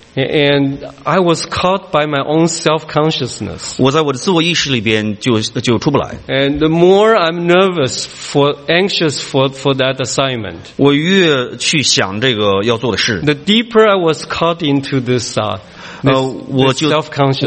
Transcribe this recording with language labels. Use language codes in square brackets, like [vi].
[en] And I was caught by my own self-consciousness. [zh] 我在我的自我意识里边就出不来。 [en] And the more I'm nervous for anxious for that assignment, [zh] 我越去想这个要做的事。 [en] The deeper I was caught into this, this self-consciousness,